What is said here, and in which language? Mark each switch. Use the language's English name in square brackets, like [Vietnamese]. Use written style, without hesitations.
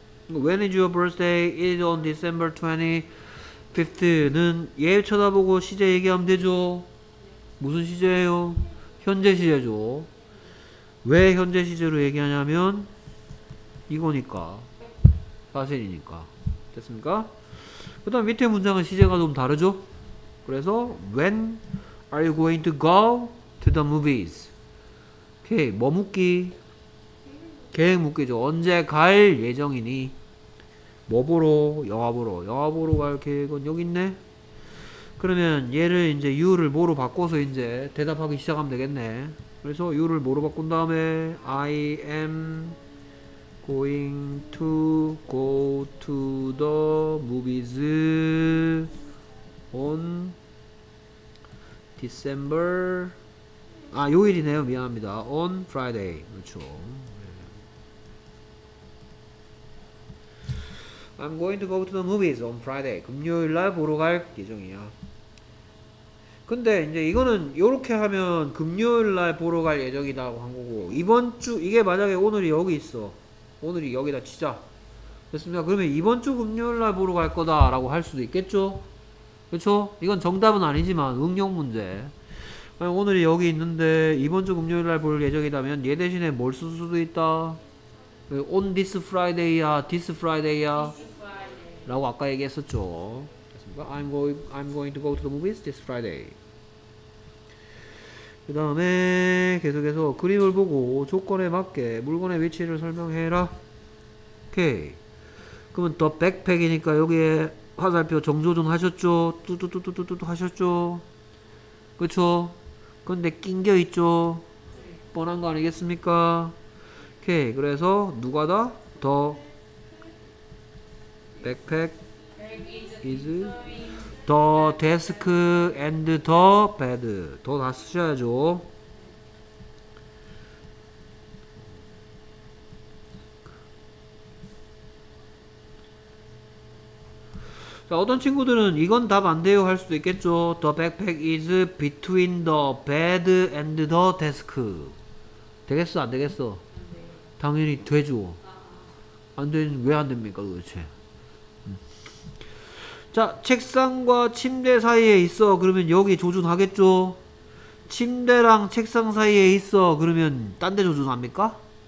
[English] When is your birthday? It's on December 25th [Korean] 는 얘 쳐다보고 시제 얘기하면 되죠. 무슨 시제예요? 현재 시제죠. 왜 현재 시제로 얘기하냐면 이거니까, 사실이니까. 됐습니까? 그 다음 밑에 문장은 시제가 좀 다르죠. 그래서 [English] When are you going to go to the movies? [Korean] 오케이. 뭐 묻기? 계획 묻기죠. 언제 갈 예정이니? 뭐 보러? 영화 보러. 영화 보러 갈 계획은 여기 있네? 그러면 얘를 이제 you를 뭐로 바꿔서 이제 대답하기 시작하면 되겠네. 그래서 [English] you를 [Korean] 뭐로 바꾼 다음에 [English] I am going to go to the movies on December [Korean] 아 요일이네요. 미안합니다. [English] On Friday. [Korean] 그렇죠. [English] I'm going to go to the movies on Friday. [Korean] 금요일날 보러 갈 예정이야. 근데 이제 이거는 요렇게 하면 금요일날 보러 갈 예정이라고 한 거고 이번 주 이게 만약에 오늘이 여기 있어. 오늘이 여기다 치자. 됐습니까? 그러면 이번 주 금요일날 보러 갈 거다라고 할 수도 있겠죠? 그렇죠? 이건 정답은 아니지만 응용 문제. 오늘이 여기 있는데 이번 주 금요일날 볼 예정이라면 얘 대신에 뭘 쓸 수도 있다. [English] On this Friday야, this Friday야 [Korean] 라고 아까 얘기했었죠. [English] I'm going to go to the movies this Friday. [Korean] 그 다음에 계속해서 그림을 보고 조건에 맞게 물건의 위치를 설명해라. 오케이. 그러면 the backpack이니까 여기에 화살표 정조준 하셨죠? 뚜뚜뚜뚜뚜뚜 하셨죠? 그쵸? 근데 낑겨있죠? 뻔한 거 아니겠습니까? 오케이. 그래서 누가 다? [English] The backpack is the desk and the bed. [Korean] 더 다 쓰셔야죠. 자, 어떤 친구들은 이건 답 안 돼요 할 수도 있겠죠. [English] The backpack is between the bed and the desk. [Korean] 되겠어? 안 되겠어? 당연히 되죠. 안 되는 왜 안 됩니까 도대체? 자, 책상과 침대 사이에 있어 그러면 여기 조준하겠죠. 침대랑 책상 사이에 있어 그러면 딴 데 조준합니까?